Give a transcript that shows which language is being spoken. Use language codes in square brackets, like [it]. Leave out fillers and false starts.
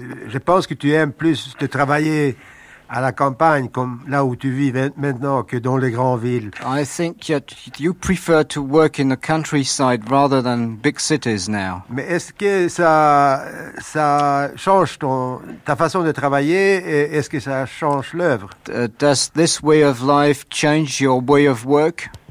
[fr] Je pense que tu aimes plus de travailler. À la campagne, comme là où tu vis maintenant, que dans les grandes villes. [en] I think that you prefer to work in the countryside rather than big cities now. [fr] Mais est-ce que ça change ta façon de travailler et est-ce que ça change l'œuvre? [en] Does this way of life change your way of work?